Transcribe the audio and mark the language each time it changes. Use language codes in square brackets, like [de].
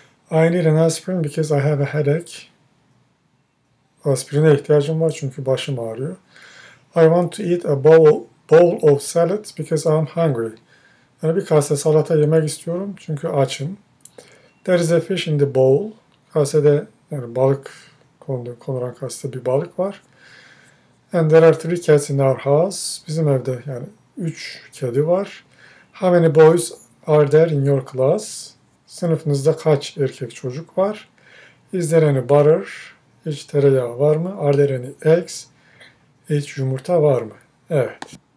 [en] I need an aspirin because I have a headache. [tr] Aspirine ihtiyacım var çünkü başım ağrıyor. [en] I want to eat a bowl of salad because I'm hungry. [tr] Yani bir kase salata yemek istiyorum çünkü açım. [en] There is a fish in the bowl. [tr] Kasede yani balık konulan kasede bir balık var. [en] And there are three cats in our house. [tr] Bizim evde yani 3 kedi var. [en] How many boys are there in your class? [tr] Sınıfınızda kaç erkek çocuk var? [en] Is there any butter? [tr] Hiç tereyağı var mı? [en] Are there any eggs? [tr] Hiç yumurta var mı? Evet.